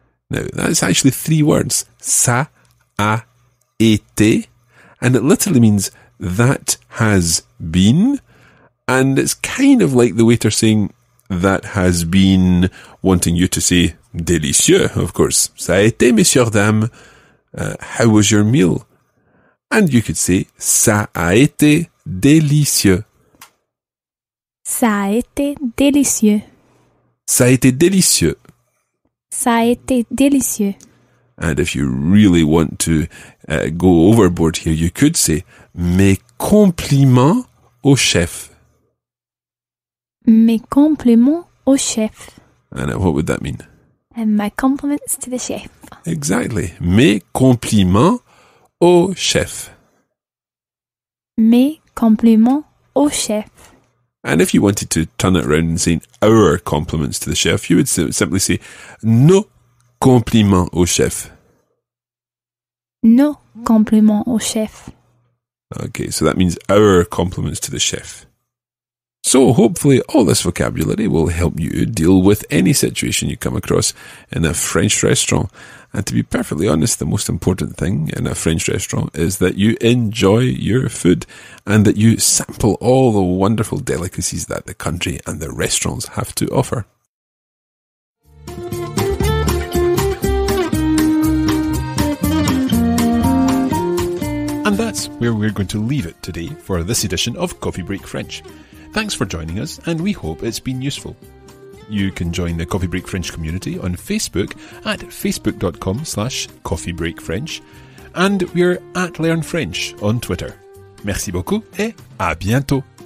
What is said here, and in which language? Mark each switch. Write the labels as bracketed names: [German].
[English] Now, that's actually three words. [French] Ça a été. [English] And it literally means, that has been. And it's kind of like the waiter saying, that has been, wanting you to say, délicieux, of course. [French] Ça a été, messieurs, dames. [English] How was your meal? And you could say, [French] ça a été délicieux. Ça a été délicieux. Ça a été délicieux. Ça a été délicieux. [English] And if you really want to go overboard here, you could say, [French] mes compliments au chef. Mes compliments au chef. [English] Anna, what would that mean? And my compliments to the chef. Exactly. [French] Mes compliments au chef. Mes compliments au chef. [English] And if you wanted to turn it around and say our compliments to the chef, you would simply say [French] nos compliments au chef. Nos compliments au chef. [English] Okay, so that means our compliments to the chef. So hopefully all this vocabulary will help you deal with any situation you come across in a French restaurant. And to be perfectly honest, the most important thing in a French restaurant is that you enjoy your food and that you sample all the wonderful delicacies that the country and the restaurants have to offer. And that's where we're going to leave it today for this edition of Coffee Break French. Thanks for joining us, and we hope it's been useful. You can join the Coffee Break French community on Facebook at facebook.com/coffeebreakfrench, and we're at Learn French on Twitter. [French] Merci beaucoup et à bientôt.